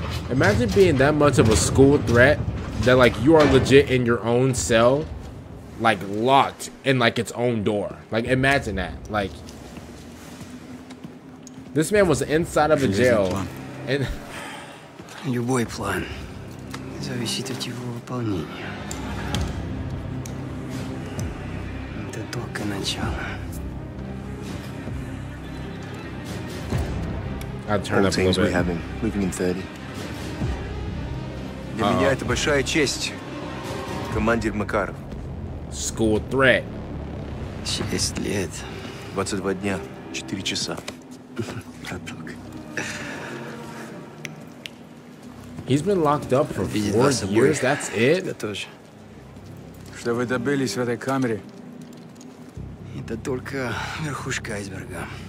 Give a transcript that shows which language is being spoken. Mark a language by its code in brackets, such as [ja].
[en] Imagine being that much of a school threat that, like, you are legit in your own cell, like, locked in, like, its own door. Like, imagine that. Like, this man was inside of a jail. And [ru] любой план зависит от его выполнения. Это только начало. [en] I'd turn all up a little bit. Having, moving in 30. [ru] Для меня это большая честь, командир Макаров. [en] School threat. [ru] 6 лет. 22 дня, 4 часа. Браток. [en] He's been locked up for 4 years, that's it? [ru] Я тоже. Что вы добились в этой камере? Это только верхушка айсберга.